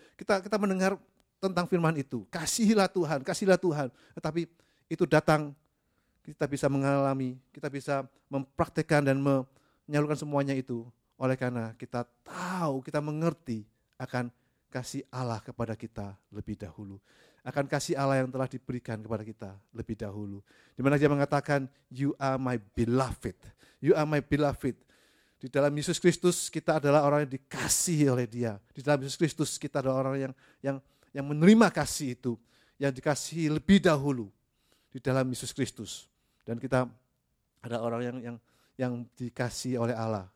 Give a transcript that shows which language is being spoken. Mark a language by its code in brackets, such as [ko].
[id] Kita mendengar tentang firman itu, kasihilah Tuhan, tetapi itu datang, kita bisa mengalami, kita bisa mempraktikkan dan menyalurkan semuanya itu, oleh karena kita tahu, kita mengerti akan kasih Allah kepada kita lebih dahulu. Akan kasih Allah yang telah diberikan kepada kita lebih dahulu. Di mana dia mengatakan, [en] you are my beloved. You are my beloved. [id] Di dalam Yesus Kristus kita adalah orang yang dikasihi oleh dia. Di dalam Yesus Kristus kita adalah orang yang menerima kasih itu. Yang dikasihi lebih dahulu. Di dalam Yesus Kristus. Dan kita adalah orang yang dikasihi oleh Allah.